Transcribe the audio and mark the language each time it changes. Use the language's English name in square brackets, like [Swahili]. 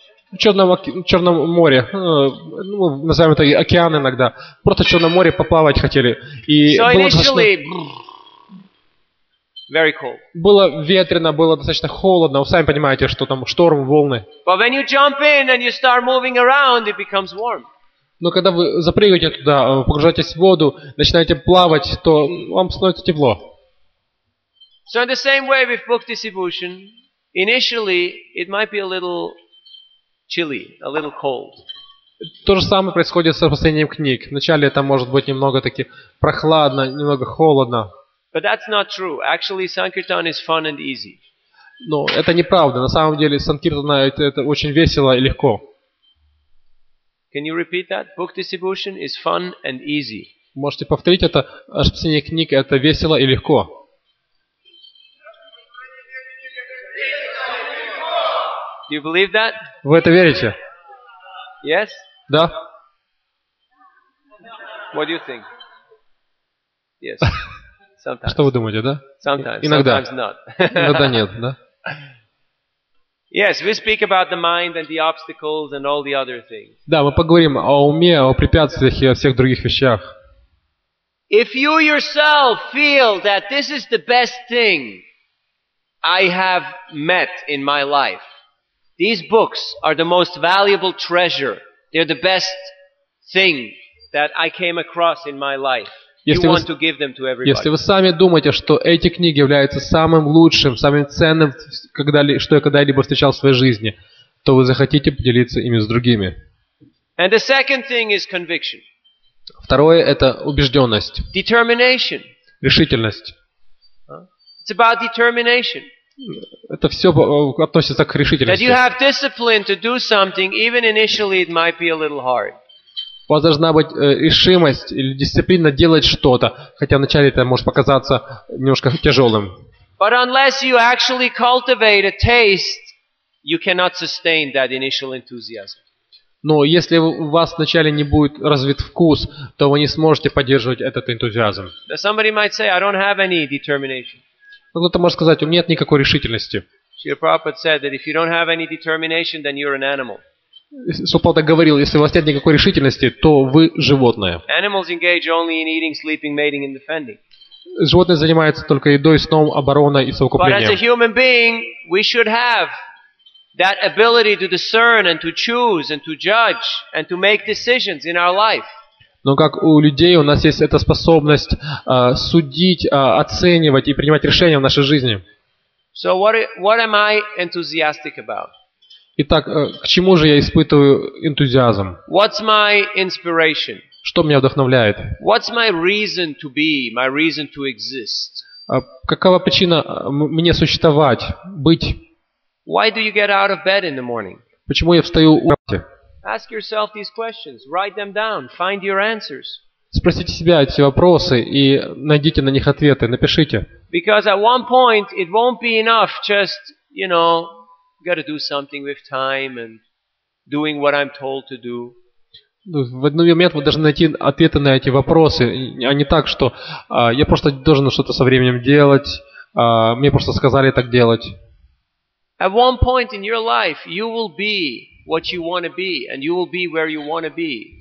[Russian] В Черном море, ну, назовем это океан иногда, просто в Черном море поплавать хотели. И [English] so [Russian] было [English] initially, very cold. [Russian] Было ветрено, было достаточно холодно, вы сами понимаете, что там шторм, волны. [English] But when you jump in and you start moving around, it becomes warm. [Russian] Но когда вы запрыгиваете туда, погружаетесь в воду, начинаете плавать, то вам становится тепло. [English] So in the same way with book distribution, initially, it might be a little chilly, a little cold. [Russian] То же самое происходит с распространением книг. Вначале это может быть немного таки прохладно, немного холодно. [English] But that's not true. Actually, Sankirtan is fun and easy. [Russian] Но это неправда. На самом деле, Санкиртана это очень весело и легко. [English] Can you repeat that? Book distribution is fun and easy. [Russian] Можете повторить это? Распространение книг это весело и легко. [English] Do you believe that? [Russian] Вы это верите? [English] Yes? [Russian] Да. [English] What do you think? Yes. Sometimes. [Russian] Что вы думаете, да? [English] Sometimes. [Russian] Иногда. [English] Sometimes not. [Russian] Иногда нет, да? [English] Yes, we speak about the mind and the obstacles and all the other things. [Russian] Да, мы поговорим о уме, о препятствиях и о всех других вещах. [English] If you yourself feel that this is the best thing I have met in my life, these books are the most valuable treasure. They're the best thing that I came across in my life. You want to give them to everybody. [Russian] Если вы сами думаете, что эти книги являются самым лучшим, самым ценным, что я когда-либо встречал в своей жизни, то вы захотите поделиться ими с другими. [English] And the second thing is conviction. [Russian] Второе – это убежденность. [English] Determination. [Russian] Решительность. [English] It's about determination. [Russian] Это все относится к решительности. [English] That you have discipline to do something, even initially it might be a little hard. [Russian] У вас должна быть решимость или дисциплина делать что-то, хотя вначале это может показаться немножко тяжелым. [English] But unless you actually cultivate a taste, you cannot sustain that initial enthusiasm. [Russian] Но если у вас вначале не будет развит вкус, то вы не сможете поддерживать этот энтузиазм. [English] Somebody might say, I don't have any determination. [Russian] Кто-то может сказать, у меня нет никакой решительности. [English] Шрила Прабхупада said that if you don't have any determination, then you're an animal. [Russian] Шрила так говорил, если у вас нет никакой решительности, то вы животное. [English] Animals engage only in eating, sleeping, mating and defending. [Russian] Животное занимается только едой, сном, обороной и совокуплением. [English] But as a human being, we should have that ability to discern and to choose and to judge and to make decisions in our life. [Russian] Но как у людей у нас есть эта способность судить, оценивать и принимать решения в нашей жизни. [English] So what am I enthusiastic about? [Russian] Итак, к чему же я испытываю энтузиазм? [English] What's my inspiration? [Russian] Что меня вдохновляет? [English] What's my reason to be, my reason to exist? [Russian] Какова причина мне существовать, быть? [English] Why do you get out of bed in the morning? [Russian] Почему я встаю утром? [English] Ask yourself these questions, write them down, find your answers. [Russian] Спросите себя эти вопросы и найдите на них ответы, напишите. [English] Because at one point it won't be enough just, you know, got to do something with time and doing what I'm told to do. [Russian] В один момент вы должны найти ответы на эти вопросы, а не так, что я просто должен что-то со временем делать, мне просто сказали так делать. [English] At one point in your life you will be what you want to be and you will be where you want to be.